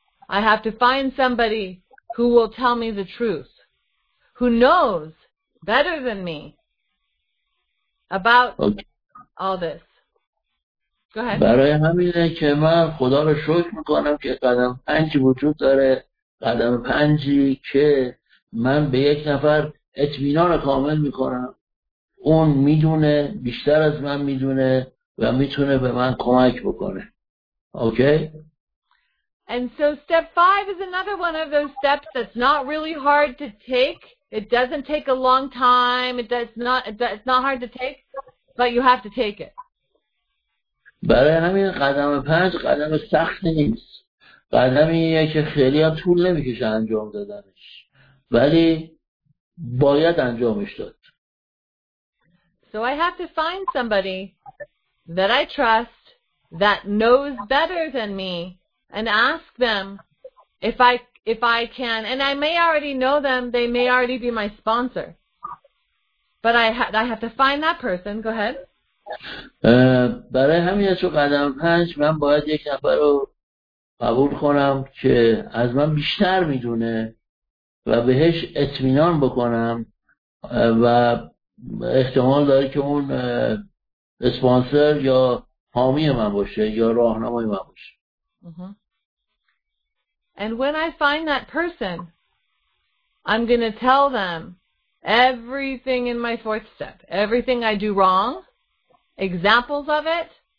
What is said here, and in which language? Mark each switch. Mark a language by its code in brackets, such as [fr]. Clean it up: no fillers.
[en] I have to find somebody who will tell me the truth. Who knows better than me about all this. Go ahead. [fa] برای همینه که من خدا رو شکر میکنم که قدم 5 وجود داره، قدم 5 که من به یک نفر اطمینان کامل میکنم. اون میدونه، بیشتر از من میدونه و میتونه به من کمک بکنه. [en] Okay? And so step 5 is another one of those steps that's not really hard to take. It doesn't take a long time. It's not hard to take, but you have to take it. [fa] برای همین قدم 5 قدم سخت نیست. قدمیه که خیلی طول نمی‌کشه انجام دادنش. ولی باید انجامش داد. [en] So I have to find somebody that I trust that knows better than me and ask them if I can, and I may already know them, they may already be my sponsor. But I have to find that person. Go ahead. [fa] برای همین چه قدم پنج من باید یک نفر رو قبول کنم که از من بیشتر میدونه و بهش اطمینان بکنم و احتمال داره که اون اسپانسر یا حامی من باشه یا راهنمای من باشه. [en] And when I find that person, I'm going to tell them everything in my fourth step, everything I do wrong, examples of it.